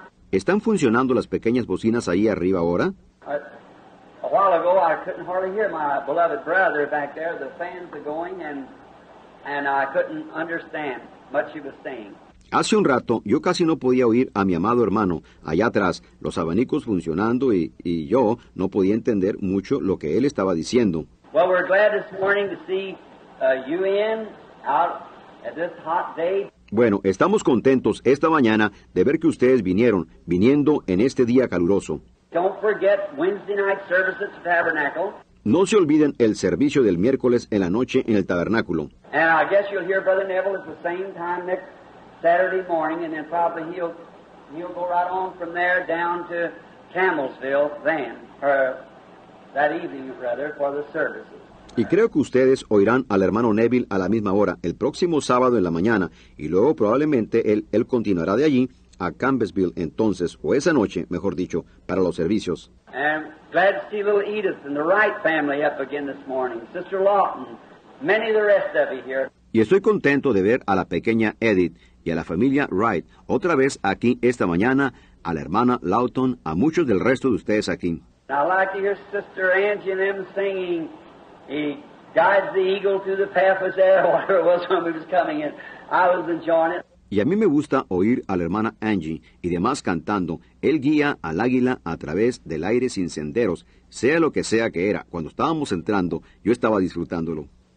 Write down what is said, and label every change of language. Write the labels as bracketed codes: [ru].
[es] ¿Están funcionando las pequeñas bocinas ahí arriba ahora? [en] A while ago, I couldn't hardly hear my beloved brother back there. The fans are going, and I couldn't understand what she was saying. [es] Hace un rato, yo casi no podía oír a mi amado hermano allá atrás, los abanicos funcionando, y yo no podía entender mucho lo que él estaba diciendo. [en] Well, we're glad this morning to see UN out at this hot day. [es] Bueno, estamos contentos esta mañana de ver que ustedes viniendo en este día caluroso. [en] Don't forget Wednesday night service at the tabernacle. [es] No se olviden el servicio del miércoles en la noche en el tabernáculo. [en] And I guess you'll hear Brother Neville at the same time next Saturday morning, and then probably he'll go right on from there down to Camelsville then, or that evening, rather, for the services. [es] Y creo que ustedes oirán al hermano Neville a la misma hora, el próximo sábado en la mañana, y luego probablemente él continuará de allí, a Campbellsville entonces, o esa noche, mejor dicho, para los servicios. [en] I'm glad to see little Edith and the Wright family up again this morning. Sister Lawton, many of the rest of you here. [es] Y estoy contento de ver a la pequeña Edith y a la familia Wright otra vez aquí esta mañana, a la hermana Lawton, a muchos del resto de ustedes aquí. [en] I like to hear Sister Angie and them singing, "He guides the eagle through the path of air," whatever it was when we was coming in. I was enjoying it. [es] Y a mí me gusta oír a la hermana Angie y demás cantando, "Él guía al águila a través del aire sin senderos", sea lo que sea que era. Cuando estábamos entrando, yo estaba disfrutándolo.